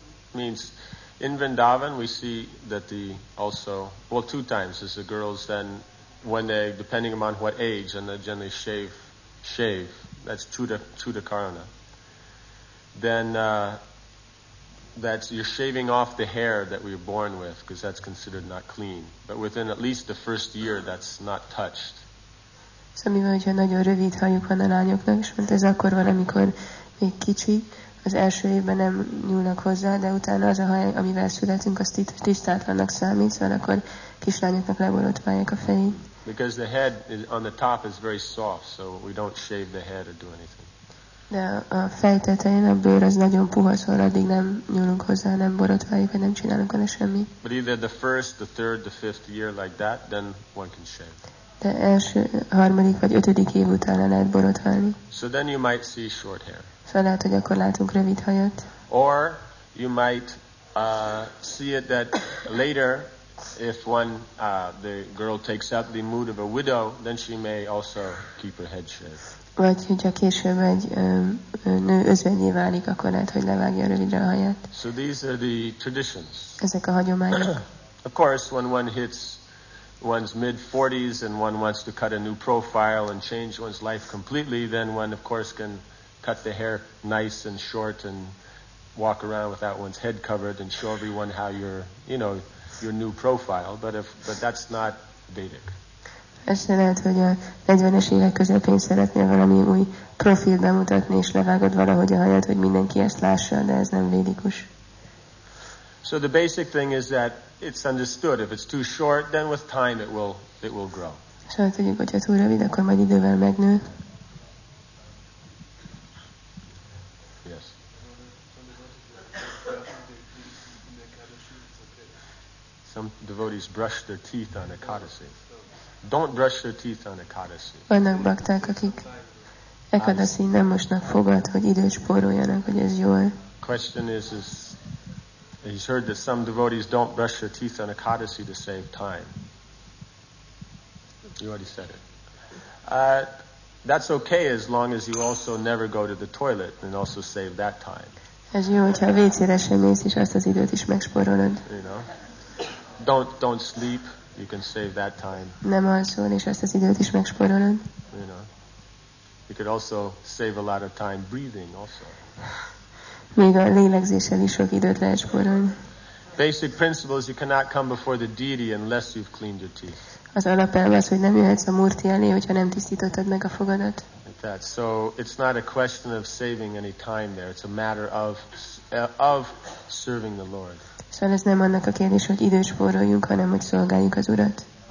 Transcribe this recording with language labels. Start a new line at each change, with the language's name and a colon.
English: Means in Vrindavan we see that the also well two times is the girls then when they depending upon what age and they generally shave that's chuda karana then that's you're shaving off the hair that we were born with because that's considered not clean but within at least the first year that's not touched.
Hungarian: Szóval mi van, hogyha nagyon rövid hajuk van a lányoknak, és mondta, ez akkor van, amikor még kicsi, az első évben nem nyúlnak hozzá, de utána az a haj, amivel születünk, az tisztátlannak számít, szóval akkor kislányoknak leborotválják a fején.
English: Because the head is, on the top is very soft, so we don't shave the head or do anything.
Hungarian: De a fej tetején a bőr az nagyon puha, szóval addig nem nyúlunk hozzá, nem borotváljuk, vagy nem csinálunk vele semmit.
English: But either the first, the third, the fifth year like that, then one can shave.
Hungarian: De első, harmadik vagy ötödik év után lehet borotválni.
English: So then you might see short hair.
Hungarian: Szóval lehet, hogy akkor látunk rövid hajat.
English: Or you might see it that later, if one the girl takes up the mood of a widow, then she may also keep her head shaved.
Hungarian: Vagy hogyha később egy nő özvegyé válik, akkor lehet, hogy levágja rövidre a haját.
English: So these are the traditions.
Hungarian: Ezek a hagyományok.
English: Of course, when one hits one's mid-40s and one wants to cut a new profile and change one's life completely, then one, of course, can cut the hair nice and short and walk around without one's head covered and show everyone how you're, you know, your new profile. But that's not Vedic.
Hungarian: Ezt lehet, hogy a 40-es évek közepén szeretnél valami új profil bemutatni, és levágod valahogy a haját, hogy mindenki ezt lássa, de ez nem védikus.
English: So the basic thing is that it's understood. If it's too short, then with time it will grow.
Hungarian: Szóval tudjuk, hogyha túl rövid, akkor majd idővel megnő.
English: Yes. Some devotees brush their teeth on ekadasi. Don't brush your teeth on ekadasi.
Hungarian: Vannak bakták, akik ekadasi nem mosnak fogat, hogy időt spóroljanak, hogy ez jó.
English: Question is he's heard that some devotees don't brush their teeth on ekadasi to save time. You already said it. That's okay as long as you also never go to the toilet and also save that time.
Hungarian: Ez jó, hogyha a WC-re sem mész, és azt az időt is megspórolod.
English: You know? Don't sleep. You can save that time.
Hungarian: Nem alszol, és ezt az időt is megspórolod.
English: You know. You could also save a lot of time breathing also.
Hungarian: Még a lélegzéssel is sok időt lehet spórolni.
English: Basic principle is you cannot come before the deity unless you've cleaned your teeth.
Hungarian: Az alapelv az, hogy nem jöhetsz a Murti elé, hogyha nem tisztítottad meg a fogadat.
English: Like that. So it's not a question of saving any time there. It's a matter of serving the Lord.
Hungarian: Szóval ez nem annak a kérdés, hogy időt spóroljunk, hanem hogy szolgáljuk az Urat.